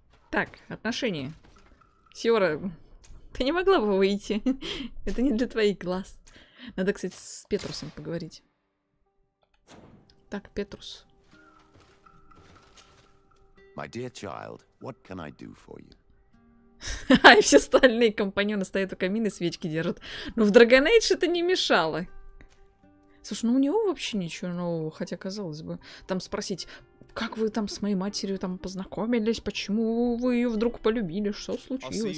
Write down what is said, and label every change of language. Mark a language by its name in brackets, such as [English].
[Russian] Так, отношения. Сиора, ты не могла бы выйти? Это не для твоих глаз. Надо, кстати, с Петрусом поговорить. Так, Петрус. [English] My dear child, what can I do for you? [Russian] А все остальные компаньоны стоят у камина и свечки держат. Но в Dragon Age это не мешало. Слушай, ну у него вообще ничего нового, хотя казалось бы. Там спросить, как вы там с моей матерью там познакомились, почему вы ее вдруг полюбили, что случилось?